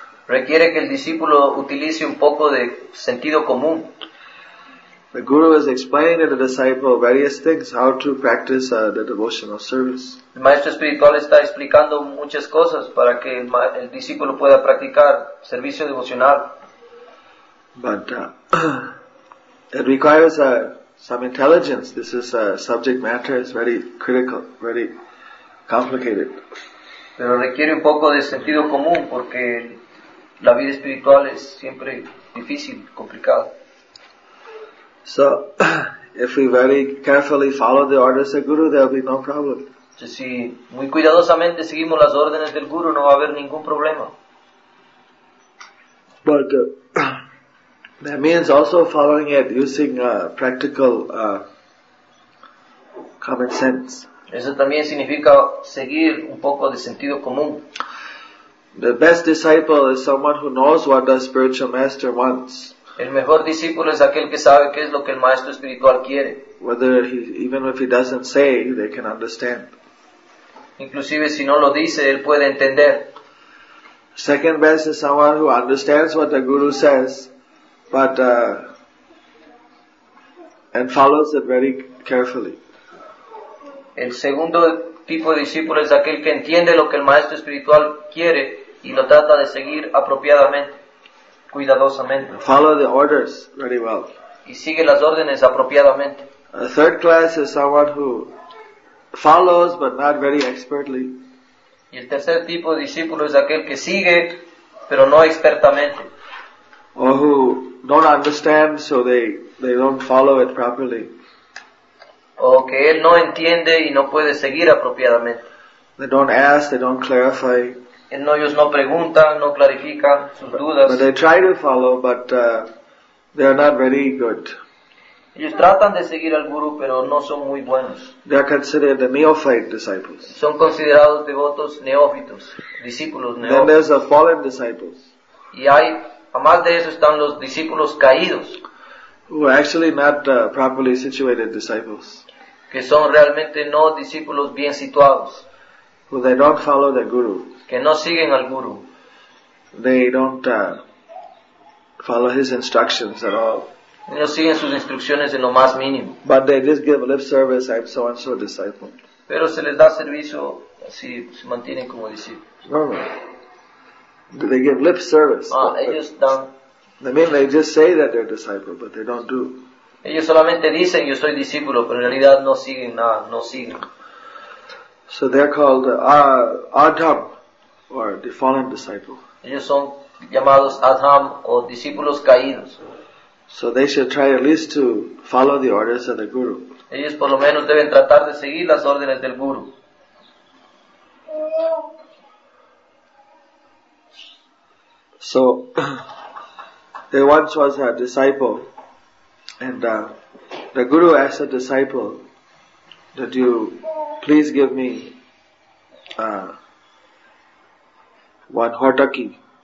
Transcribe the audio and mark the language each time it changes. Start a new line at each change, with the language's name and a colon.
Spanish: Requiere que el discípulo utilice un poco de sentido común.
English: The guru is explaining to the disciple various things, how to practice the devotional service.
Spanish: El maestro espiritual está explicando muchas cosas para que el discípulo pueda practicar servicio devocional.
English: But it requires some intelligence. This is a subject matter is very critical, very complicated.
Spanish: Pero requiere un poco de sentido común porque la vida espiritual es siempre difícil, complicada.
English: So, if we very carefully follow the orders of Guru, there will be no problem.
Spanish: Si muy cuidadosamente seguimos las órdenes del Guru, no va a haber ningún problema.
English: But that means also following it using practical common sense.
Spanish: Eso también significa seguir un poco de sentido común.
English: The best disciple is someone who knows what the spiritual master wants.
Spanish: El mejor discípulo es aquel que sabe qué es lo que el maestro espiritual quiere.
English: Whether he, even if he doesn't say, they can understand.
Spanish: Inclusive si no lo dice, él puede entender.
English: Second best is someone who understands what the guru says, but and follows it very carefully.
Spanish: El segundo tipo de discípulo es aquel que entiende lo que el maestro espiritual quiere y lo trata de seguir apropiadamente, cuidadosamente.
English: Follow the orders very well.
Spanish: Y sigue las órdenes apropiadamente.
English: A third class is someone who follows but not very expertly.
Spanish: Y el tercer tipo de discípulo es aquel que sigue pero no expertamente.
English: Or who don't understand, so they don't follow it properly.
Spanish: O que él no entiende y no puede seguir apropiadamente.
English: They don't ask, they don't clarify.
Spanish: No, ellos no preguntan, no clarifican sus dudas.
English: But they try to follow, but they are not very good.
Spanish: Ellos tratan de seguir al Guru, pero no son muy buenos.
English: They are considered the neophyte disciples.
Spanish: Son considerados devotos neófitos, discípulos neófitos.
English: Then there's the fallen disciples.
Spanish: Y hay, además de eso, están los discípulos caídos.
English: Who are actually not properly situated disciples.
Spanish: Que son realmente no discípulos bien situados.
English: Who they don't follow the Guru.
Spanish: Que no siguen al Guru.
English: They don't follow his instructions at all.
Spanish: No siguen sus instrucciones en lo más mínimo.
English: But they just give lip service, I'm so and so disciple.
Spanish: Pero se les da servicio si se mantienen como discípulos.
English: No. They give lip service.
Spanish: Ellos dan.
English: I mean, they just say that they're disciple, but they don't do.
Spanish: Ellos solamente dicen yo soy discípulo, pero en realidad no siguen nada, no siguen.
English: So they're called Adham or the fallen disciple.
Spanish: Ellos son llamados Adham o discípulos caídos.
English: So they should try at least to follow the orders of the Guru.
Spanish: Ellos por lo menos deben tratar de seguir las órdenes del Guru.
English: So there once was a disciple, and the Guru asked the disciple that you please give me one hotaki.